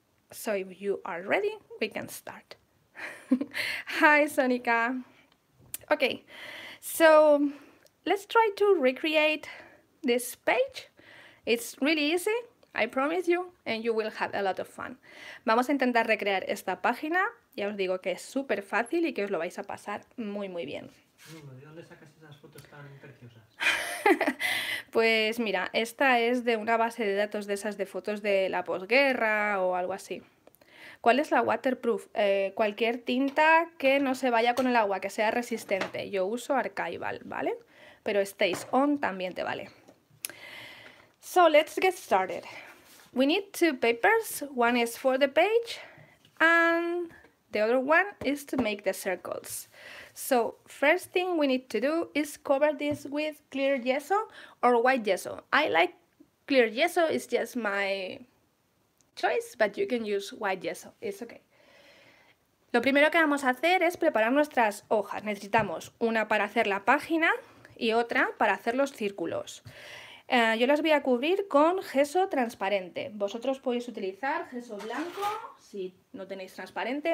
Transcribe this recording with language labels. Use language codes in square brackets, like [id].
[en] So if you are ready, we can start. Hi, Sonica. Okay, so let's try to recreate this page. It's really easy. I promise you, and you will have a lot of fun. [es] Vamos a intentar recrear esta página. Ya os digo que es súper fácil y que os lo vais a pasar muy, muy bien. ¿De dónde sacas esas fotos tan preciosas? Pues mira, esta es de una base de datos de esas de fotos de la posguerra o algo así. ¿Cuál es la waterproof? Cualquier tinta que no se vaya con el agua, que sea resistente. Yo uso Archival, ¿vale? Pero Stays On también te vale. [en] So let's get started. We need two papers. One is for the page and the other one is to make the circles. So first thing we need to do is cover this with clear gesso or white gesso. I like clear gesso, it's just my choice, but you can use white gesso, it's okay. [es] Lo primero que vamos a hacer es preparar nuestras hojas. Necesitamos una para hacer la página y otra para hacer los círculos. Yo las voy a cubrir con gesso transparente. Vosotros podéis utilizar gesso blanco si no tenéis transparente.